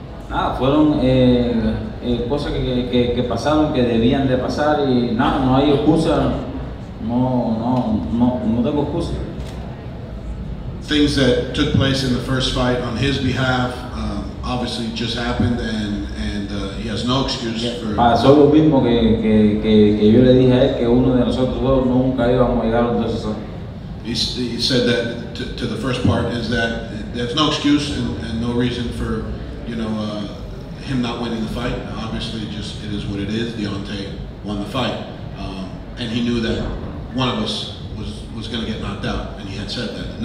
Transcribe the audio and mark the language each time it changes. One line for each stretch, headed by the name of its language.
Spanish: Ah, fueron cosas que pasaron, que debían de pasar y nada, no hay excusa, no tengo excusa.
English: Things that took place in the first fight on his behalf obviously just happened and he has no excuse for...
Spanish: Pasó lo mismo que yo le dije a él, que uno de nosotros dos nunca íbamos a llegar a un decisor.
English: He said that to the first part is that there's no excuse and no reason for, you know, him not winning the fight. Obviously, just it is what it is. Deontay won the fight, and he knew that one of us was going to get knocked out, and he had said that.